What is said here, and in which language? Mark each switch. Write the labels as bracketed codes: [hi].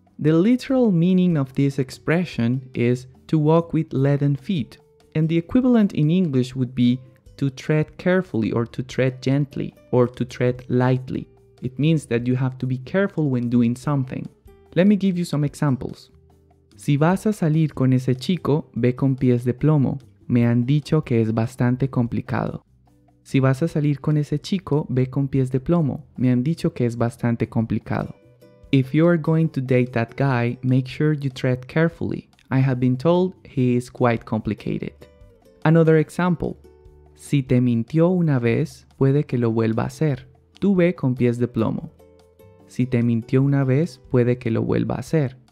[en] The literal meaning of this expression is to walk with leaden feet, and the equivalent in English would be to tread carefully or to tread gently or to tread lightly. It means that you have to be careful when doing something. Let me give you some examples. [es] Si vas a salir con ese chico, ve con pies de plomo. Me han dicho que es bastante complicado. Si vas a salir con ese chico, ve con pies de plomo. Me han dicho que es bastante complicado. [en] If you are going to date that guy, make sure you tread carefully. I have been told he is quite complicated. Another example. [es] Si te mintió una vez, puede que lo vuelva a hacer. Tú ve con pies de plomo. Si te mintió una vez, puede que lo vuelva a hacer.